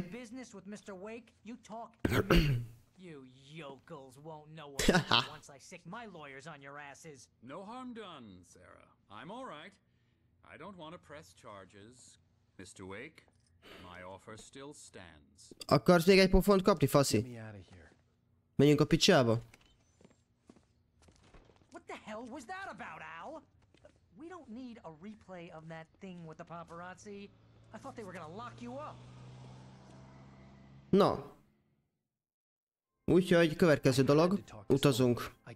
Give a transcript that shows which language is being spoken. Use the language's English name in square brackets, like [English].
[English] Business with Mr. Wake, you talk. You yokels won't know what to do once I sick my lawyers on your asses. No harm done, Sarah. I'm all right. I don't want to press charges. Mr. Wake, my offer still stands. [Hungarian] Akarsz még egy pofont kapni, faszi? Menjünk a picsába. [English] What the hell was that about, Al? We don't need a replay of that thing with the paparazzi. I thought they were gonna lock you up. No. [Hungarian] Úgyhogy következő dolog, utazunk.